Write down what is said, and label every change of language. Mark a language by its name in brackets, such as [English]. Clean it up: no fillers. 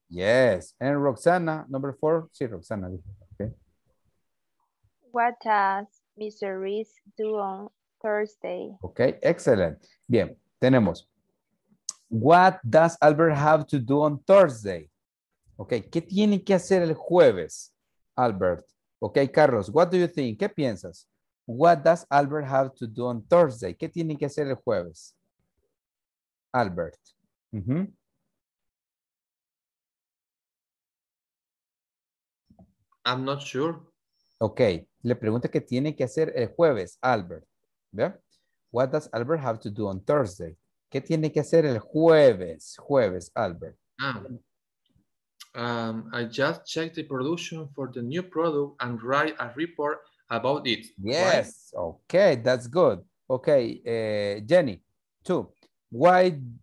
[English] Yes, and Roxana, number 4. Sí, Roxana. Okay. What does Mr. Reese do on Thursday? Okay, excellent. [Spanish] Bien, tenemos. [English] What does Albert have to do on Thursday? [Spanish] Okay, ¿qué tiene que hacer el jueves, Albert? [English] Okay, Carlos, what do you think? [Spanish] ¿Qué piensas? [English] What does Albert have to do on Thursday? [Spanish] ¿Qué tiene que hacer el jueves? Albert. Mm-hmm. [English] I'm not sure. [Spanish] Okay, le pregunta qué tiene que hacer el jueves, Albert. [English] Yeah? What does Albert have to do on Thursday? [Spanish] ¿Qué tiene que hacer el jueves, Albert? [English] I just checked the production for the new product and write a report about it. Yes. Why? Okay, that's good. Okay, Jenny, 2. Why